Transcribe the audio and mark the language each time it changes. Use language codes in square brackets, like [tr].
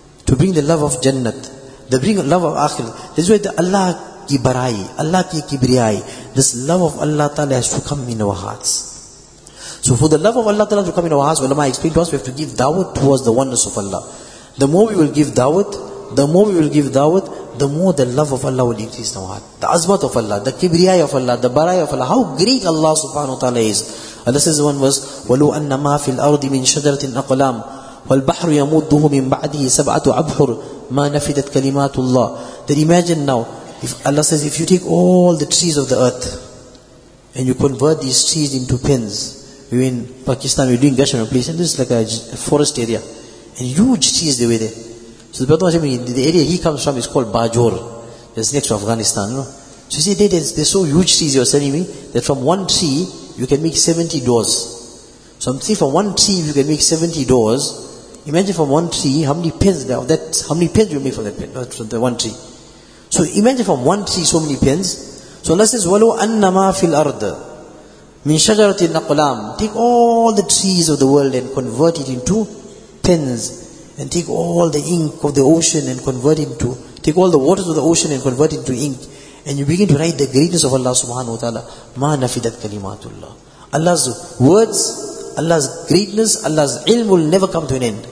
[en] To bring the love of Jannat, to bring love of Akhirat. This is why the [ur] Allah ki barai, Allah ki kibriyai, [en] this love of Allah Ta'ala has to come in our hearts. So for the love of Allah Ta'ala to come in our hearts, ulama explained to us, we have to give da'wah towards the oneness of Allah. The more we will give da'wah, the more the love of Allah will increase in our heart. The azmat of Allah, the kibriyai of Allah, the barai of Allah, how great Allah subhanahu wa ta'ala is. Allah says one verse, [ar] وَلُوْ أَنَّ مَا فِي الْأَرْضِ مِنْ شَجَرَةٍ أَقْلَامٍ وَالْبَحْرُ يَمُدُّهُ مِنْ بَعْدِهِ سَبْعَةُ أَبْحُرٍ مَا نَفِدَتْ كَلِمَاتُ اللَّهِ. [en] Then imagine now, if Allah says, if you take all the trees of the earth and you convert these trees into pens, we're in Pakistan, we're doing Gashan place, and this is like a forest area, and huge trees they were there. So the Prophet Muhammad, the area he comes from is called Bajor, that's next to Afghanistan. You know? So you see, they're so huge trees, you're telling me, that from one tree you can make 70 doors. So I'm saying from one tree, if you can make 70 doors, imagine from one tree, how many pens you make from that pen, from the one tree. So imagine from one tree, so many pens. So Allah says, [ar] وَلُوْ أَنَّمَا فِي الْأَرْضِ مِنْ شَجَرَةِ النَّقْلَامِ. [en] Take all the trees of the world and convert it into pens. And take all the ink of the ocean and convert it into, take all the waters of the ocean and convert it into ink. And you begin to write the greatness of Allah subhanahu wa ta'ala. [ar] مَا نَفِدَتْ كَلِمَاتُ اللَّهِ. [en] Allah's words, Allah's greatness, Allah's ilm will never come to an end.